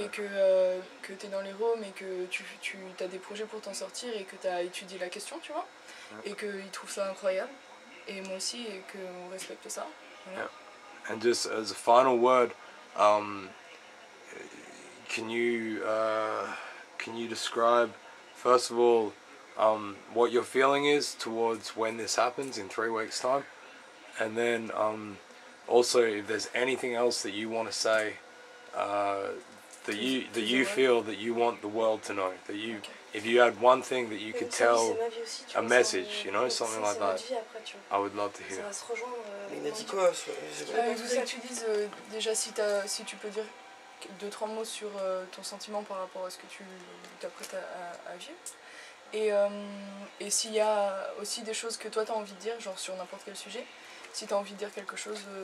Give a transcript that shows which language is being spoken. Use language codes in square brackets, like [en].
[fr] et que t'es dans les rooms et que tu t'as des projets pour t'en sortir et que t'as étudié la question tu vois et que il trouve ça incroyable et moi aussi et que on respecte ça. Voilà. [en] Yeah. And just as a final word, can you describe first of all what your feeling is towards when this happens in 3 weeks' time? And then, also, if there's anything else that you want to say, that you feel that you want the world to know, that you, okay. If you had one thing that you could tell, a message, you know, something like that, I would love to hear. [fr] Il a dit quoi? Vous tu dis déjà si tu peux dire 2-3 mots sur ton sentiment par rapport à ce que tu t'apprêtes à vivre. Et s'il y a aussi des choses que toi t'as envie de dire, genre sur n'importe quel sujet, si t'as envie de dire quelque chose